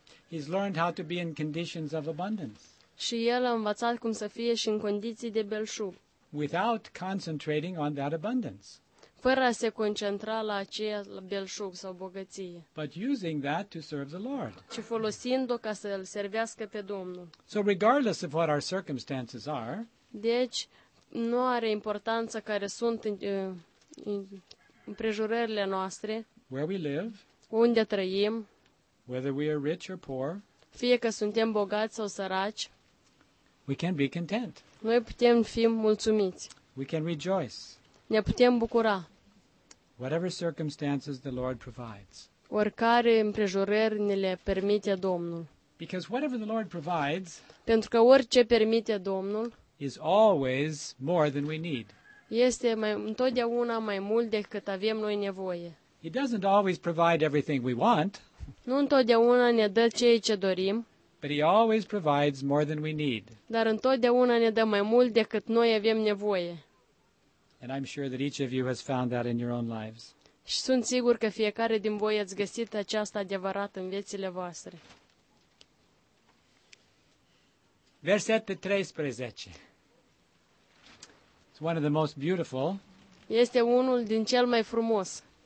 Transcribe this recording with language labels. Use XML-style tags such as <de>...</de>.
<en>He's learned how to be in conditions of abundance.</en> <ro>Și el a învățat cum să fie și în condiții de belșug.</ro> <en>Without concentrating on that abundance.</en> <ro>Fără a se concentra la aceea belșug sau bogăție.</ro> <en>But using that to serve the Lord.</en> <ro>Ci folosind-o ca să îl servească pe Domnul.</ro> <en>So regardless of what our circumstances are.</en> <ro>Deci nu are importanță care sunt împrejurările noastre.</ro> <en>Where we live.</en> <ro>Unde trăim.</ro> <en>Whether we are rich or poor.</en> <ro>Fie că suntem bogați sau săraci.</ro> <en>We can be content.</en> <ro>Noi putem fi mulțumiți.</ro> <en>We can rejoice.</en> <ro>Ne putem bucura.</ro> <en>Whatever circumstances the Lord provides.</en> <ro>Oricare împrejurări ne le permite Domnul.</ro> <en>Because whatever the Lord provides.</en> <ro>Pentru că orice permite Domnul.</ro> <en>Is always more than we need.</en> <ro>Este mai întotdeauna mai mult decât avem noi nevoie.</ro> <en>He doesn't always provide everything we want.</en> <ro>Nu întotdeauna ne dă ceea ce dorim.</ro> <en>But he always provides more than we need.</en> <ro>Dar întotdeauna ne dă mai mult decât noi avem nevoie.</ro> <en>And I'm sure that each of you has found that in your own lives.</en> <ro>Și sunt sigur că fiecare din voi ați găsit aceasta adevărat în viețile voastre. Versetul 13.</ro> <en>It's one of the most beautiful.</en> <ro>Este unul din cel mai frumos.</ro>